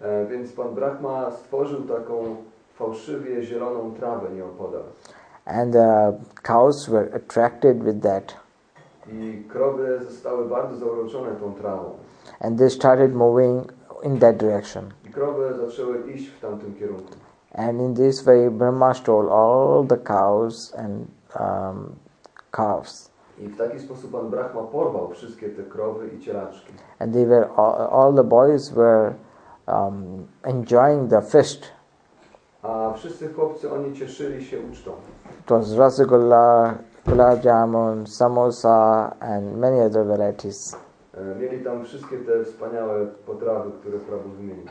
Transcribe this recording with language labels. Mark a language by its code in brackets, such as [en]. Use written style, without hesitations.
[pl] Więc pan Brahma stworzył taką fałszywie zieloną trawę nieopodal. [en] And the cows were attracted with that. [pl] I krowy zostały bardzo zauroczone tą trawą. [en] And they started moving in that direction. [pl] I krowy zaczęły iść w tamtym kierunku. [en] And in this way Brahma stole all the cows and calves. [pl] I w taki sposób pan Brahma porwał wszystkie te krowy i cielaczki. [en] And they were all the boys were enjoying the feast. [pl] A wszyscy chłopcy oni cieszyli się ucztą. [en] It was rasgulla, gulab jamun, samosa and many other varieties. [pl] Mieli tam wszystkie te wspaniałe potrawy, które Prabhu wymienił.